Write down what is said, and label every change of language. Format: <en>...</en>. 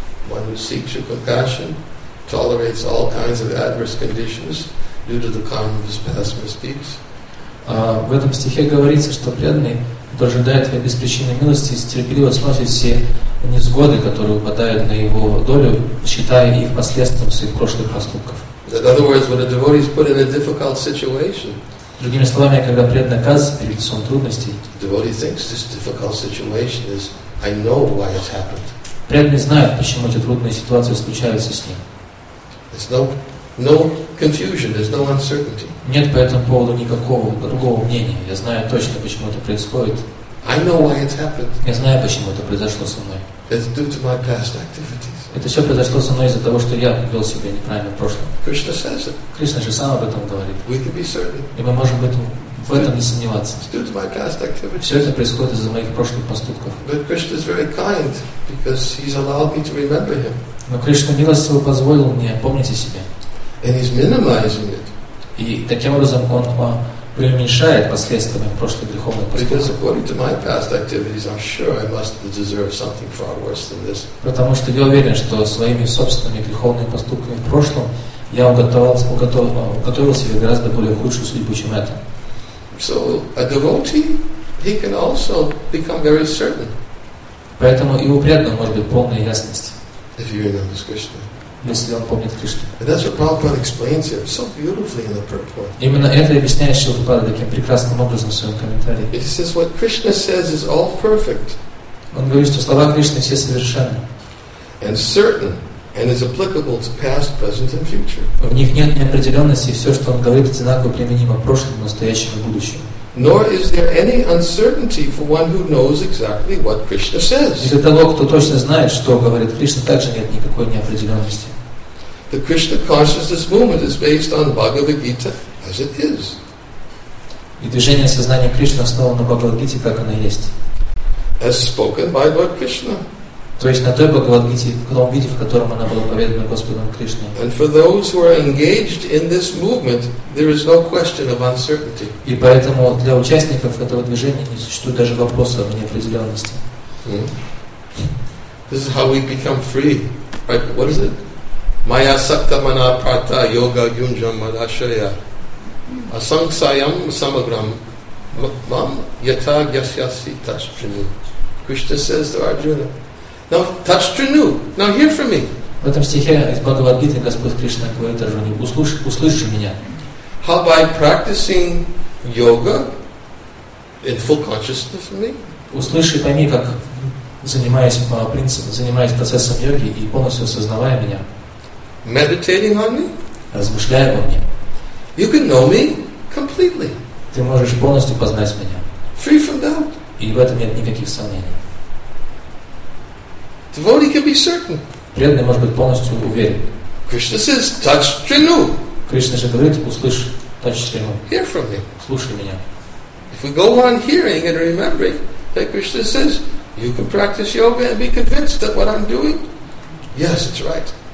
<en>One who seeks your compassion tolerates all kinds of adverse conditions due to the karma of his past misdeeds.</en> <ru>В этом стихе говорится, что преданный дожидает без причины милости и терпеливо сносит все невзгоды, которые упадают на его долю, считая их последствием своих прошлых поступков.</ru> <en>In other words, when a devotee is put in a difficult situation,</en> <ru>другими словами, когда преданный оказывается перед лицом трудностей,</ru> <en>devotee thinks this difficult situation is, I know why it's happened.</en> <ru>Преданный знает, почему эти трудные ситуации случаются с ним.</ru> <en>There's no confusion, there's no uncertainty.</en> <ru>Нет по этому поводу никакого другого мнения. Я знаю точно, почему это происходит.</ru> <en>I know why it's happened.</en> <ru>Я знаю, почему это произошло со мной.</ru> <en>It's due to my past activities.</en> <ru>Это все произошло со мной из-за того, что я вел себя неправильно в прошлом.</ru> <en>Krishna says it.</en> <ru>Кришна же сам об этом говорит.</ru> <en>We can be certain.</en> <ru>И мы можем в этом не сомневаться.</ru> <en>It's due to my past activities.</en> <ru>Все это происходит из-за моих прошлых поступков.</ru> <en>But Krishna is very kind because he's allowed me to remember him.</en> <ru>Но Кришна милостиво позволил мне помнить о себе.</ru> <en>And he's minimizing it.</en> <ru>И таким образом он преуменьшает последствия моих прошлых греховных поступков.</ru> <en>Because according to my past activities, I'm sure I must deserve something far worse than this.</en> <ru>Потому что я уверен, что своими собственными греховными поступками в прошлом я уготовил себе гораздо более худшую судьбу, чем это.</ru> <en>So a devotee, he can also become very certain.</en> <ru>Поэтому и у преданного может быть полная ясность.</ru> <en>If you remember Krishna.</en> <ru>Если он помнит Кришну.</ru> <en>And that's what Prabhupada explains here so beautifully in the purport.</en> <ru>Именно это объясняет Шрила Прабхупада таким прекрасным образом в своем комментарии.</ru> <en>He says what Krishna says is all perfect.</en> <ru>Он говорит, что слова Кришны все совершенны.</ru> <en>And certain, and is applicable to past, present, and future.</en> <ru>В них нет неопределенности, и все, что он говорит, одинаково применимо прошлому, настоящему и будущему.</ru> <en>Nor is there any uncertainty for one who knows exactly what Krishna says.</en> <ru>Для того, кто точно знает, что говорит Кришна, также нет никакой неопределенности.</ru> <en>The Krishna consciousness movement is based on Bhagavad Gita as it is.</en> <ru>И движение сознания Кришны основано на Бхагавад Гите, как оно есть.</ru> <en>As spoken by Lord Krishna.</en> <ru>То есть на той Бхагавад Гите, в том виде, в котором она была поведана Господом Кришной.</ru> <en>And for those who are engaged in this movement, there is no question of uncertainty.</en> <ru>И поэтому для участников этого движения не существует даже вопроса о неопределенности.</ru> <en>This is how we become free. Right? What is it?</en> <sa>Maya sakta mana prata yoga yunjam madashaya asang sayam samagram mam yata gyasyasi tashtrinu.</sa> <en>Krishna says to Arjuna, now</en> <sa>touch trinu.</sa> <en>Now hear from me.</en> <ru>В этом стихе из Бхагавад Гиты Господь Кришна говорит Арджуне: услышь меня.</ru> <en>How by practicing yoga in full consciousness of me?</en> <ru>Услышь и пойми, как занимаясь процессом йоги и полностью осознавая меня.</ru> <en>Meditating on me?</en> <ru>Размышляя обо мне.</ru> <en>You can know me completely.</en> <ru>Ты можешь полностью познать меня.</ru> <en>Free from doubt.</en> <ru>И в этом нет никаких сомнений.</ru> <en>Devotee can be certain.</en> <ru>Преданный может быть полностью уверен.</ru> <en>Krishna says,</en> <sa>touch trinu.</sa> <ru>Кришна же говорит, услышь,</ru> <sa>touch trinu.</sa> <en>Hear from me.</en> <ru>Слушай меня.</ru> <en>If we go on hearing and remembering that Krishna says, you can practice yoga and be convinced that what I'm doing, yes, it's right.</en>